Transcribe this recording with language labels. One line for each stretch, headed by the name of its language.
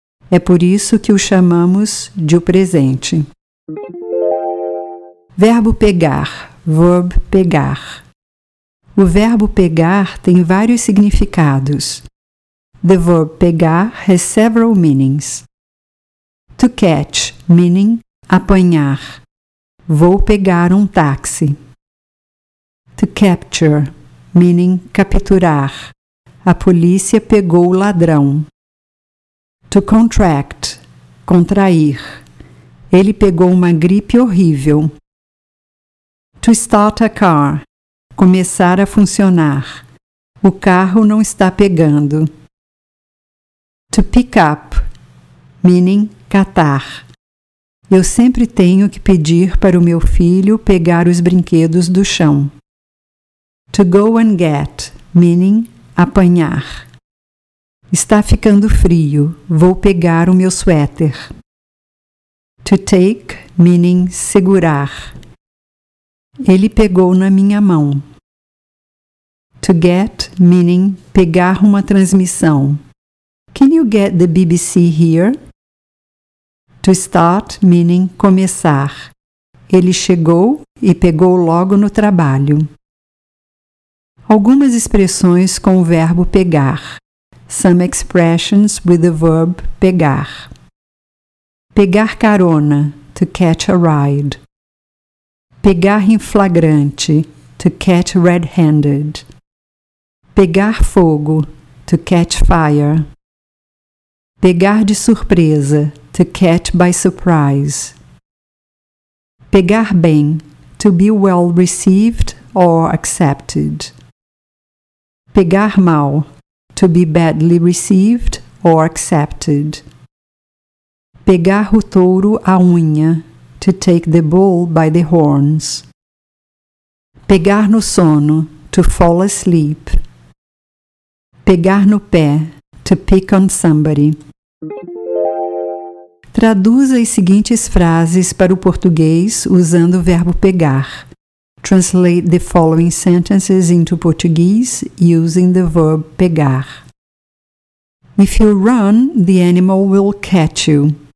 Portuguese: É por isso que o chamamos de o presente. Verbo pegar, verb pegar. O verbo pegar tem vários significados.
English: The verb pegar has several meanings. To catch, meaning
Portuguese: apanhar. Vou pegar um táxi.
English: To capture, meaning
Portuguese: capturar. A polícia pegou o ladrão.
English: To contract,
Portuguese: contrair. Ele pegou uma gripe horrível.
English: To start a car,
Portuguese: começar a funcionar. O carro não está pegando.
English: To pick up, meaning catar.
Portuguese: Eu sempre tenho que pedir para o meu filho pegar os brinquedos do chão.
English: To go and get, meaning apanhar.
Portuguese: Está ficando frio, vou pegar o meu suéter.
English: To take, meaning
Portuguese: segurar. Ele pegou na minha mão.
English: To get, meaning
Portuguese: pegar uma transmissão.
English: Can you get the BBC here? To start, meaning começar.
Portuguese: Ele chegou e pegou logo no trabalho. Algumas expressões com o verbo pegar.
English: Some expressions with the verb pegar.
Portuguese: Pegar carona,
English: to catch a ride.
Portuguese: Pegar em flagrante,
English: to catch red-handed.
Portuguese: Pegar fogo,
English: to catch fire.
Portuguese: Pegar de surpresa,
English: to catch by surprise.
Portuguese: Pegar bem,
English: to be well received or accepted.
Portuguese: Pegar mal,
English: to be badly received or accepted.
Portuguese: Pegar o touro à unha,
English: to take the bull by the horns.
Portuguese: Pegar no sono,
English: to fall asleep.
Portuguese: Pegar no pé,
English: to pick on somebody.
Portuguese: Traduza as seguintes frases para o português usando o verbo pegar.
English: Translate the following sentences into Portuguese using the verb pegar. If you run, the animal will catch you.